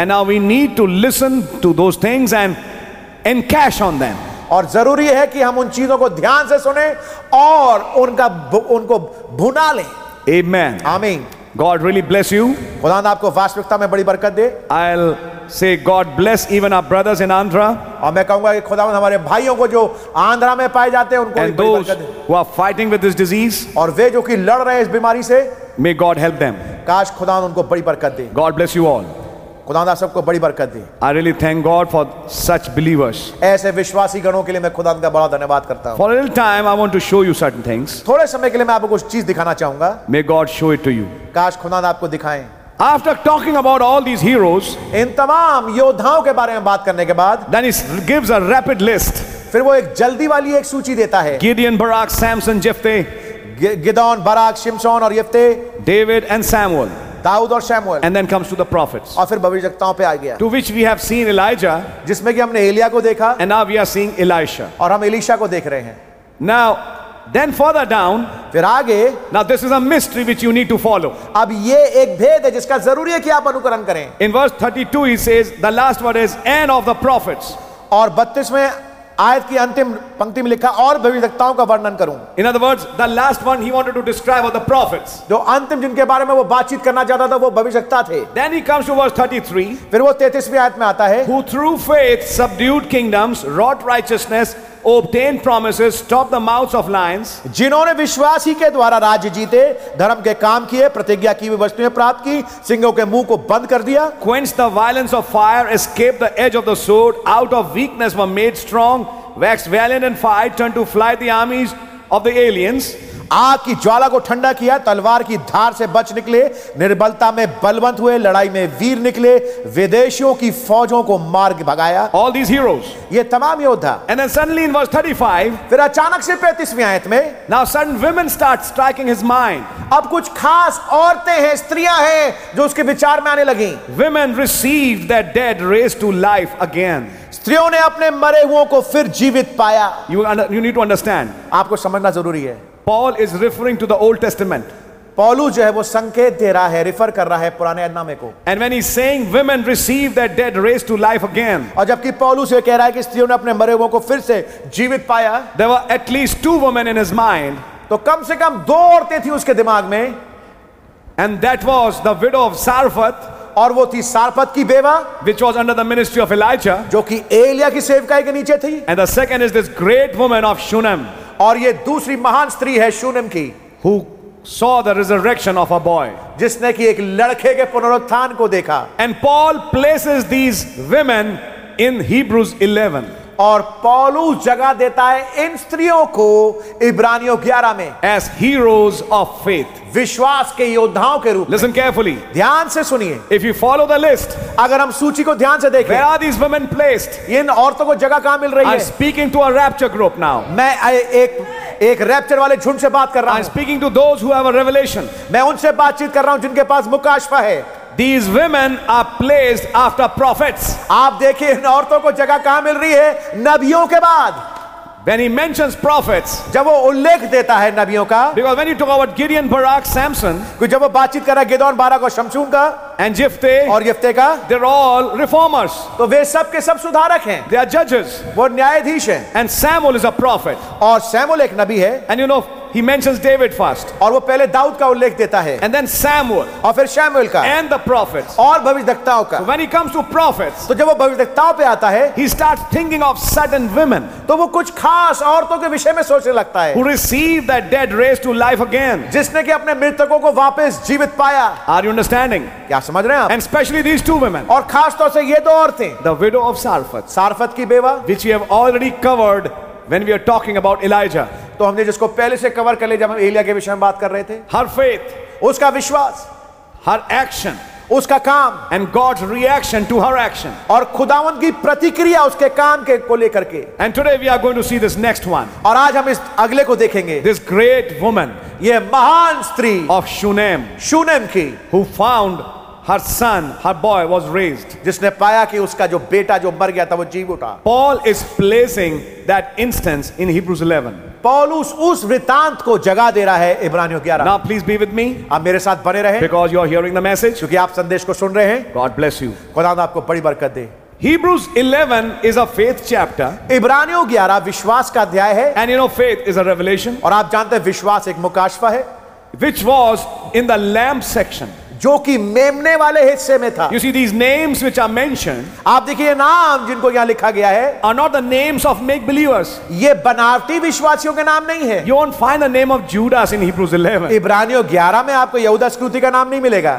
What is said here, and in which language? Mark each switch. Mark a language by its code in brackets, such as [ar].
[en] And now we need to listen to those things and encash on them. [hi] और जरूरी है कि हम उन चीजों को ध्यान से सुने और उनका उनको भुना लें. [en] Amen. Amen. God really bless you. [hi] खुदा ने आपको वास्तविकता में बड़ी बरकत दे. [en] I'll say God bless even our brothers in Andhra. [hi] और मैं कहूंगा कि खुदा ने हमारे भाइयों को जो आंध्रा में पाए जाते हैं उनको भी बड़ी बरकत दे. [en] Who are fighting with this disease. [hi] और वे जो कि लड़ रहे हैं इस बीमारी से. [en] May God help them. [hi] काश खुदा उनको बड़ी बरकत दे. [en] God bless you all. [hi] खुदा ने सबको बड़ी बरकत दे. [en] I really thank God for such believers. [hi] ऐसे विश्वासी गणों के लिए मैं खुदा का बड़ा धन्यवाद करता हूं. [en] For a little time I want to show you certain things. [hi] थोड़े समय के लिए मैं आपको कुछ चीज दिखाना चाहूंगा. [en] May God show it to you. [hi] काश खुदा आपको दिखाए. [en] After talking about all these heroes, [hi] इन तमाम योद्धाओं के बारे में बात करने के बाद, [en] then he gives a rapid list. [hi] फिर वो एक जल्दी वाली एक सूची देता है. [en] Gideon, Barak, Samson, Jephthah. [hi] Gideon, Barak, Shimshon और Jephthah. [en] David and Samuel. [hi] Dawood और शमूएल. [en] And then comes to the prophets. [hi] और फिर भविष्यवक्ताओं पे आ गया. [en] To which we have seen Elijah. [hi] जिसमें कि हमने एलिया को देखा. [en] And now we are seeing Elisha. [hi] और हम एलिशा को देख रहे हैं. [en] Now then further down. [hi] फिर आगे. [en] Now this is a mystery which you need to follow. [hi] अब ये एक भेद है जिसका जरूरी है कि आप अनुकरण करें. [en] In verse 32 he says the last word is and of the prophets. [hi] और 32वें आयत की अंतिम पंक्ति में लिखा और भविष्यवक्ताओं का वर्णन करूं. [en] In other words, the last one he wanted to describe were the prophets. [hi] जो अंतिम जिनके बारे में वो बातचीत करना चाहता था वो भविष्यवक्ता थे. [en] Then he comes to verse 33. [hi] फिर वो 33वीं आयत में आता है. [en] Who through faith subdued kingdoms, wrought righteousness, obtained promises, stopped the mouths of lions. [hi] जिन्होंने विश्वास ही के द्वारा राज्य जीते, धर्म के काम किए, प्रतिज्ञा की वस्तुएं प्राप्त की, सिंहों के मुंह को बंद कर दिया. [en] Quenched the violence of fire, escaped the edge of the sword, out of weakness were made strong, waxed valiant in fight, turned to fly the armies of the aliens. [hi] आग की ज्वाला को ठंडा किया, तलवार की धार से बच निकले, निर्बलता में बलवंत हुए, लड़ाई में वीर निकले, विदेशियों की फौजों को मार्ग भगाया. [en] All these heroes. [hi] ये तमाम योद्धा. [en] And then suddenly in verse 35. [hi] फिर अचानक से 35वीं आयत में. [en] Now sudden women start striking his mind. [hi] अब कुछ खास औरतें हैं, स्त्रियां हैं, जो उसके विचार में आने लगी. [en] Women received their dead raised to life again. [hi] स्त्रियों ने अपने मरे हुओं को फिर जीवित पाया. [en] You need to understand. [hi] आपको समझना जरूरी है. [en] Paul is referring to the Old Testament. [hi] पौलू जो है वो संकेत दे रहा है, रिफर कर रहा है पुराने अहदनामे को. [en] And when he's saying women receive their dead raised to life again. [hi] और जबकि पौलू से कह रहा है कि स्त्रियों ने अपने मरे हुओं को फिर से जीवित पाया. [en] There were at least two women in his mind. [hi] तो कम से कम दो औरतें थी उसके दिमाग में. [en] And that was the widow of Sarfath. [hi] और वो थी सारपत की बेवा, [en] which was under the ministry of Elijah, [hi] जो कि एलिया की सेवकाई के नीचे थी. [en] And the second is this great woman of Shunem. [hi] और ये दूसरी महान स्त्री है शूनम की. [en] Who saw the resurrection of a boy. [hi] जिसने कि एक लड़के के पुनरुत्थान को देखा. [en] And Paul places these women in Hebrews 11. [hi] और पौलू जगह देता है इन स्त्रियों को इब्रानियों 11 में. [en] As heroes of faith. [hi] विश्वास के योद्धाओं के रूप. [en] Listen carefully. [hi] ध्यान से सुनिए. [en] If you follow the list. [hi] अगर हम सूची को ध्यान से देखें. [en] Where are these women placed? [hi] इन औरतों को जगह कहां मिल रही है? [en] I'm speaking to a rapture group now. [hi] मैं एक रैप्चर वाले झुंड से बात कर रहा हूं. [en] I'm speaking to those who have a revelation. [hi] मैं उनसे बातचीत कर रहा हूं जिनके पास मुकाशफा है. [en] These women are placed after prophets. [hi] आप देखिए इन औरतों को जगह कहां मिल रही है? नबियों के बाद. [en] When he mentions prophets, [hi] जब वो उल्लेख देता है नबियों का. [en] Because when you talk about Gideon, Barak, Samson, [hi] जब वो बातचीत कर रहा है गिदोन, बाराक और शमशून का. [en] And Jephthah, [hi] और यिफ्ते का. [en] They're all reformers. [hi] तो वे सब के सब सुधारक हैं. [en] They are judges. [hi] वो न्यायाधीश हैं. [en] And Samuel is a prophet. [hi] और शमूएल एक नबी है. [en] And you know, he mentions David first. [hi] और वो पहले दाऊद का उल्लेख देता है. [en] And then Samuel. [hi] और फिर शमूएल का. [en] And the prophets. [hi] और भविष्यवक्ताओं का. [en] So when he comes to prophets, [hi] तो जब वो भविष्यवक्ताओं पे आता है, [en] he starts thinking of certain women. [hi] तो वो कुछ खास औरतों के विषय में सोचने लगता है. [en] Who received that dead raised to life again. [hi] जिसने कि अपने मृतकों को वापस जीवित पाया. [en] Are you understanding? [hi] समझ रहे हैं आप? [en] And especially these two women. [hi] और खास तौर से ये दो औरतें. [en] The widow of Sarfath. [hi] सारफत की बेवा. [en] Which we have already covered when we are talking about Elijah. [hi] तो हमने जिसको पहले से कवर कर लिया जब हम एलिया के विषय में बात कर रहे थे. [en] Her faith. [hi] उसका विश्वास. [en] Her action. [hi] उसका काम. [en] And God's reaction to her action. [hi] और खुदावंद की प्रतिक्रिया उसके काम के को लेकर के. [en] And today we are going to see this next one. [hi] और आज हम इस अगले को देखेंगे. [en] This great woman. [hi] ये महान स्त्री. [en] Of Shunem. [hi] शूनेम की. [en] Who found her son, her boy was raised. [hi] जिसने पाया कि उसका जो बेटा जो मर गया था वो जीव उठा. [en] Paul is placing that instance in Hebrews 11. [hi] पौलुस उस वृतांत को जगह दे रहा है इब्रानियों 11. [en] Now please be with me. [hi] आप मेरे साथ बने रहें. [en] Because you are hearing the message. [hi] क्योंकि आप संदेश को सुन रहे हैं. [en] God bless you. [hi] खुदा आपको बड़ी बरकत दे. [en] Hebrews 11 is a faith chapter. [hi] इब्रानियों 11 विश्वास का अध्याय है. [en] And you know faith is a revelation. [hi] और आप जानते हैं विश्वास एक मुकाशफा है. [en] Which was in the lamp section. [hi] जो कि मेमने वाले हिस्से में था. [en] You see these names which are mentioned. [hi] आप देखिए नाम जिनको यहाँ लिखा गया है. [en] Are not the names of make believers. [hi] ये बनावटी विश्वासियों के नाम नहीं है. [en] You won't find the name of Judas in Hebrews 11. [hi] इब्रानियों 11 में आपको यहूदा इस्करियोती का नाम नहीं मिलेगा.